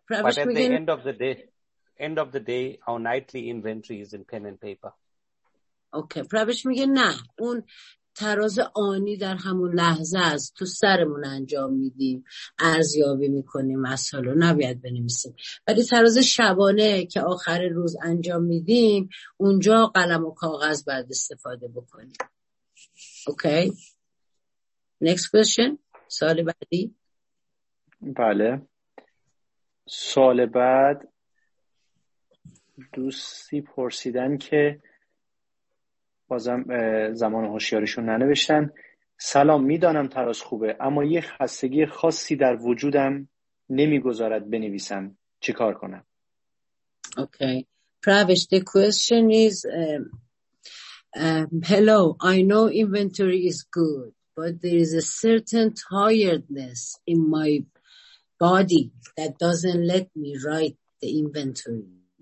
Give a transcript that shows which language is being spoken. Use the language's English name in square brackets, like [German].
[English] Perhaps but at the end of the day, our nightly inventory is in pen and paper. [Persian] Okay. پرابش میگه نه. اون تراز آنی در همون لحظه است. تو سرمون انجام میدیم. ارزیابی میکنیم. مسئله نباید بنویسیم. ولی تراز شبانه که آخر روز انجام میدیم. اونجا قلم و کاغذ باید استفاده بکنیم. [English] Okay. Next question. [Persian] سوال بعدی. بله. سوال بعد. دوستی پرسیدن که بازم زمان هوشیاریشون ننوشتن. سلام، میدانم تراز خوبه اما یه خستگی خاصی در وجودم نمیگذارد بنویسم، چه کار کنم؟ اوکی. [English] پرابش the question is hello, I know inventory is good but there is a certain tiredness in my body that doesn't let me write the inventory.